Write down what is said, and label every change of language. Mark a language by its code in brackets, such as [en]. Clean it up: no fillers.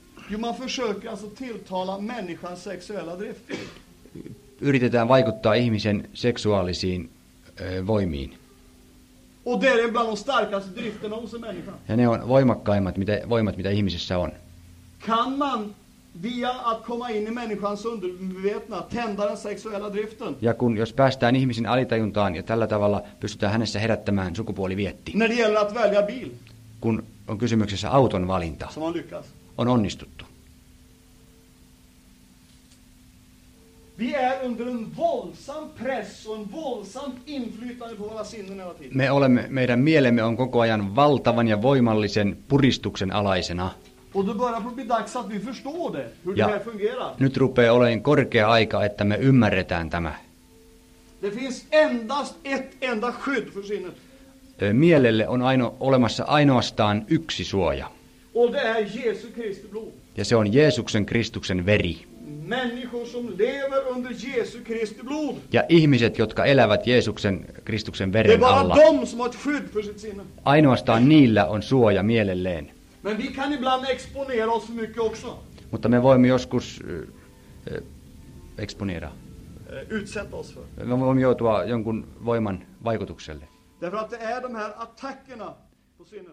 [sv] Jo, man försöker alltså tilltala människans sexuella drift. [fi] Yritetään vaikuttaa ihmisen seksuaalisiin voimiin. [sv] Och det är bland de starkaste drifterna hos en människa. [fi] Ja ne on voimakkaimmat voimat, mitä ihmisessä on. [sv] Kan man via att komma in i människans undervetna tända den sexuella driften? [fi] Ja kun jos päästään ihmisen alitajuntaan ja tällä tavalla pystytään hänessä herättämään sukupuolivietti. [sv] När det gäller att välja bil. [fi] Kun on kysymyksessä auton valinta. [sv] Som man lyckas. [fi] On onnistuttu. [sv] Vi är under en våldsam press och en våldsam inflytande på våra sinnen hela tiden. [fi] Me olemme, meidän mielemme on koko ajan valtavan ja voimallisen puristuksen alaisena. [sv] Och då börjar det bli dags att vi förstår det, hur ja det här fungerar. [fi] Nyt rupeaa olemaan korkea aika, että me ymmärretään tämä. [sv] Det finns endast ett enda skydd för sinnet. [fi] Mielelle on olemassa ainoastaan yksi suoja. [sv] Och det är Jesus Kristi blod. [fi] Ja se on Jeesuksen Kristuksen veri. [sv] Människor som lever under Jesu Kristi blod. [fi] Ja ihmiset, jotka elävät Jeesuksen Kristuksen veren alla. [sv] Det är bara de som har ett skydd för sitt sinne. [fi] Ainoastaan niillä on suoja mielelleen. [sv] Men vi kan ibland exponera oss för mycket också. [fi] Mutta me voimme joskus exponera. [sv] Utsätta oss för. [fi] Me voimme joutua jonkun voiman vaikutukselle. [sv] Därför att det är de här attackerna på sinnet.